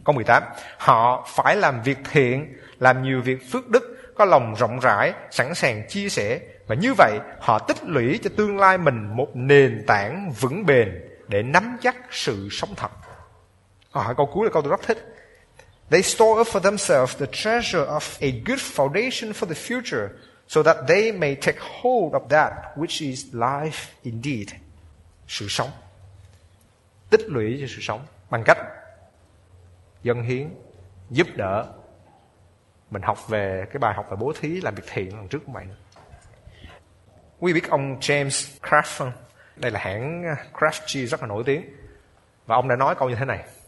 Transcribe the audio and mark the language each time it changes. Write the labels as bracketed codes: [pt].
[vi] Câu 18, họ phải làm việc thiện, làm nhiều việc phước đức, có lòng rộng rãi, sẵn sàng chia sẻ. Và như vậy họ tích lũy cho tương lai mình một nền tảng vững bền để nắm chắc sự sống thật. Câu cuối là câu tôi rất thích. [en] They store up for themselves the treasure of a good foundation for the future so that they may take hold of that which is life indeed. [vi] Sự sống. Tích lũy cho sự sống bằng cách dâng hiến, giúp đỡ. Mình học về cái bài học về bố thí, làm việc thiện lần trước của mày nữa. Quý vị biết ông James Kraft không? Đây là hãng Kraft Cheese rất là nổi tiếng. Và ông đã nói câu như thế này.